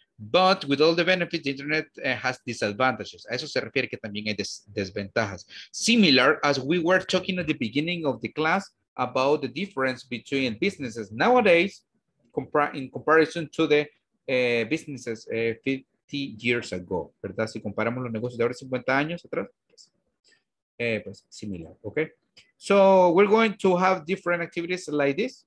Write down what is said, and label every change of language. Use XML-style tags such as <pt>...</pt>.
<en>But with all the benefits, the internet has disadvantages.</en> <es>A eso se refiere que también hay desventajas.</es> <en>Similar as we were talking at the beginning of the class about the difference between businesses nowadays in comparison to the businesses 50 years ago,</en> <es>¿verdad? Si comparamos los negocios de ahora 50 años atrás, pues, pues similar, okay?</es> <en>So we're going to have different activities like this.</en>